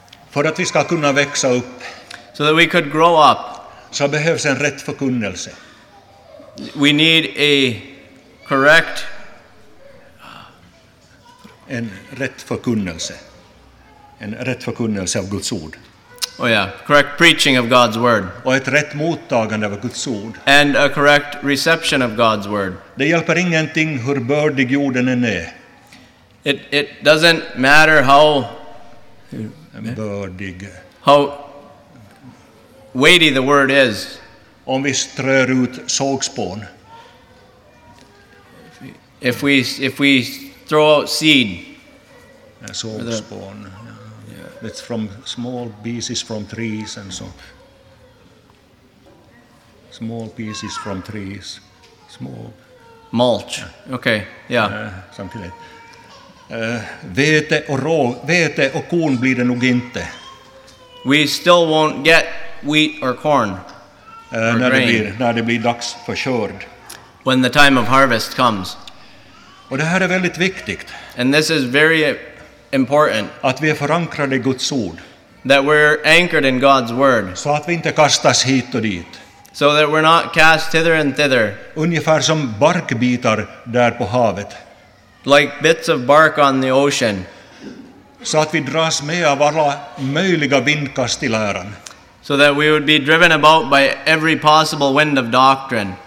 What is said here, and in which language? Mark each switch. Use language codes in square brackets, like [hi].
[sv] För att vi ska kunna växa upp. [en] So that we could grow up. [sv] Så behövs en rätt förkunnelse. [en] We need a correct. [sv] En rätt förkunnelse. En rätt förkunnelse av Guds ord. [en] Oh yeah, correct preaching of God's word. [sv] Och ett rätt mottagande av Guds ord. [en] And a correct reception of God's word. [sv] Det hjälper ingenting hur bördig jorden än är. [en] It doesn't matter how [sv] bördig. [en] How weighty the word is. [sv] Om vi strör ut sågspån. [en] If we throw out seed. [sv] Sågspån. [en] It's from small pieces from trees and so. Small pieces from trees. Small. Mulch. Okay, yeah. Something like [sv] vete och rå, vete och korn blir det nog inte. [en] We still won't get wheat or corn. [sv] När det blir dags för skörd. [en] When the time of harvest comes. [sv] Och det här är väldigt viktigt. [en] And this is very important. [sv] Att vi är förankrade i Guds ord. [en] That we're anchored in God's word. [sv] Så att vi inte kastas hit och dit. [en] So that we're not cast hither and thither. [sv] Ungefär som barkbitar där på havet. [en] Like bits of bark on the ocean. [sv] Så att vi dras med av alla möjliga vindkast i läran. [en] So that we would be driven about by every possible wind of doctrine.